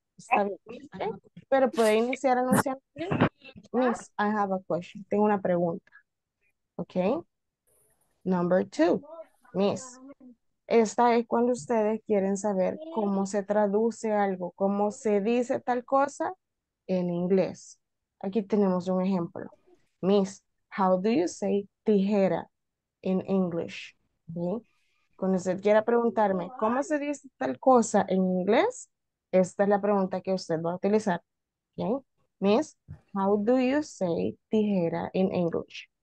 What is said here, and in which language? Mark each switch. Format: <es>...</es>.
<es>Está bien, okay. Pero puede iniciar anunciando,</es> <en>Miss, I have a question.</en> <es>Tengo una pregunta. Okay.</es> <en>Number two, Miss.</en> <es>Esta es cuando ustedes quieren saber cómo se traduce algo, cómo se dice tal cosa en inglés. Aquí tenemos un ejemplo.</es> <en>Miss, how do you say tijera in English?</en> <es>¿Sí? Cuando usted quiera preguntarme cómo se dice tal cosa en inglés, esta es la pregunta que usted va a utilizar. ¿Sí?</es> <en>Miss, how do you say tijera in English?</en>